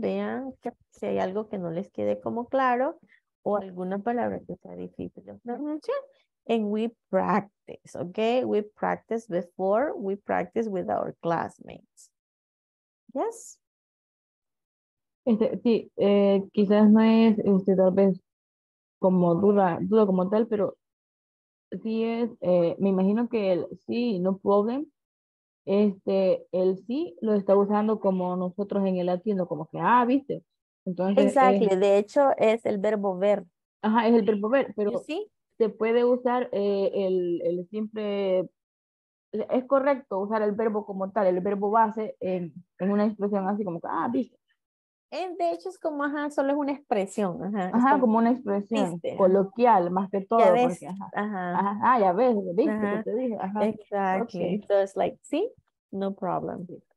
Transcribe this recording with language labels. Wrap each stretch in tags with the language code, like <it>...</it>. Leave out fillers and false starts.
<es>Vean que, si hay algo que no les quede como claro o alguna palabra que sea difícil de pronunciar.</es> <en>And we practice, okay? We practice before we practice with our classmates. Yes?</en> <es>Este, sí, quizás no es usted tal vez como duda como tal, pero sí es, me imagino que el sí,</es> <en>no problem,</en> <es>este, el sí lo está usando como nosotros en el latino, como que, ah, viste. Entonces, exactly, de hecho es el verbo ver. Ajá, es el verbo ver, pero... ¿Sí? Se puede usar el simple, es correcto usar el verbo como tal, el verbo base en una expresión así como, ah, viste. De hecho es como, ajá, solo es una expresión. Ajá, ajá, como una expresión, viste, coloquial, ajá, más que todo. Ya ves, porque, ajá. Ah, ya ves, viste, ajá, que te dije. Ajá.</es> <en>Exactly, okay. So it's like, sí, no problem.</en>